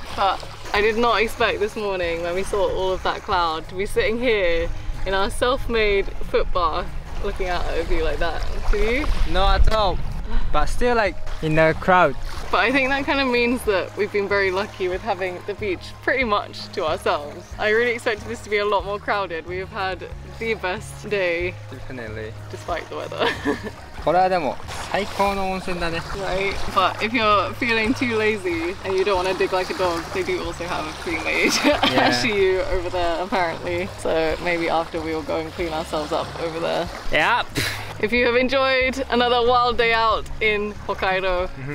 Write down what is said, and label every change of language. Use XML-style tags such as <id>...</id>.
<en>But I did not expect this morning when we saw all of that cloud to be sitting here in our self-made foot bath looking out at a view like that. Do you? Not at all. But still like in the crowd. But I think that kind of means that we've been very lucky with having the beach pretty much to ourselves. I really expected this to be a lot more crowded. We have had the best day. Definitely. Despite the weather.</en> <ja>これはでも最高の温泉だね。</ja> <en>Right, but if you're feeling too lazy and you don't want to dig like a dog, they do also have a pre-made Ashiyu over there apparently. So maybe after we all go and clean ourselves up over there. Yep. If you have enjoyed another wild day out in Hokkaido, mm-hmm.</en>